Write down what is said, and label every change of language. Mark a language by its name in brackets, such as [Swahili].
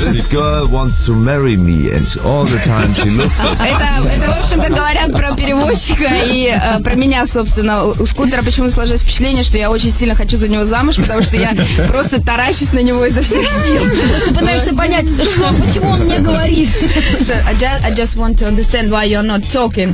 [English] This girl wants to marry me, and all the time she looks at me. [Russian] Это, в общем-то, говорят про перевозчика и про меня, собственно. У скутера почему-то сложилось впечатление, что я очень сильно хочу за него замуж, потому что я просто таращусь на него изо всех сил. Просто пытаешься понять, что, почему он не говорит. [English] I just want to understand why you're not talking.